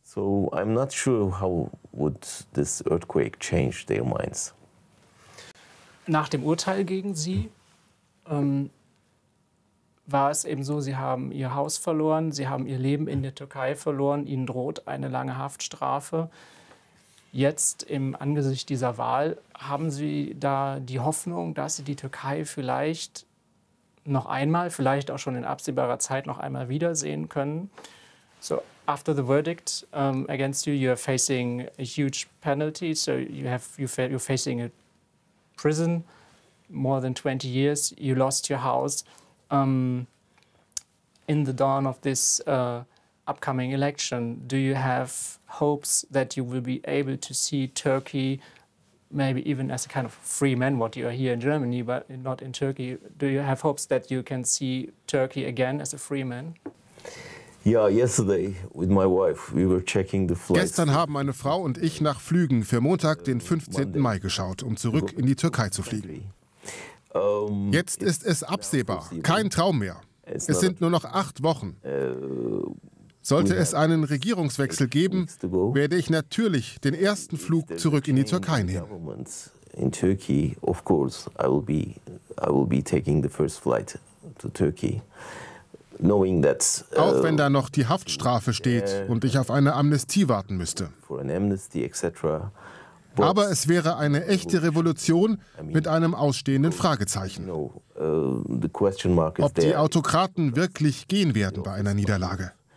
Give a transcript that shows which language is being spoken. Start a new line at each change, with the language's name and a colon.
German: Nach dem Urteil gegen Sie war es eben so, Sie haben Ihr Haus verloren, Sie haben Ihr Leben in der Türkei verloren, Ihnen droht eine lange Haftstrafe. Jetzt im Angesicht dieser Wahl, haben Sie da die Hoffnung, dass Sie die Türkei vielleicht noch einmal, vielleicht auch schon in absehbarer Zeit noch einmal wiedersehen können?
English: So, after the verdict against you, you are facing a huge penalty. So, you're facing a prison, more than 20 years, you lost your house. In the dawn of this upcoming election, do you have hopes that you will be able to see Turkey maybe even as a kind of free man, what you are here in Germany, but not in Turkey? Do you have hopes that you can see Turkey again as a free man? Yeah, yesterday with my wife, we were checking the flights.
German: Gestern haben meine Frau und ich nach Flügen für Montag, den 15. Mai, geschaut, um zurück in die Türkei zu fliegen. Jetzt ist es absehbar, kein Traum mehr. Es sind nur noch 8 Wochen. Sollte es einen Regierungswechsel geben, werde ich natürlich den ersten Flug zurück in die Türkei nehmen.
English: In Turkey, of course, I will be taking the first flight to Turkey, knowing that.
German: Auch wenn da noch die Haftstrafe steht und ich auf eine Amnestie warten müsste.
English: For an amnesty, etc.
German: Aber es wäre eine echte Revolution mit einem ausstehenden Fragezeichen. Ob die Autokraten wirklich gehen werden bei einer Niederlage.